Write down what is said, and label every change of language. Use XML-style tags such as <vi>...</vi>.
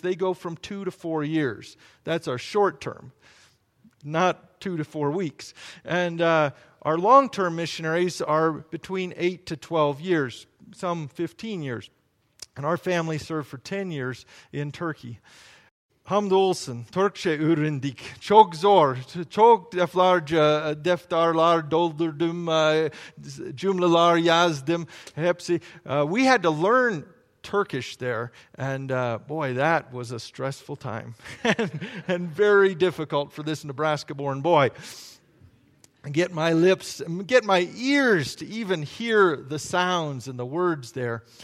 <en>They go from 2 to 4 years. That's our short-term, not 2 to 4 weeks. And our long-term missionaries are between 8 to 12 years, some 15 years. And our family served for 10 years in Turkey.</en> <tr>Hamdolsun, Turkçe öğrendik. Çok zor, çok defalarca defterler doldurdum, cümleler yazdım, hepsi.</tr> <en>We had to learn Turkish there, and boy, that was a stressful time. and very difficult for this Nebraska-born boy. Get my ears to even hear the sounds and the words there.</en>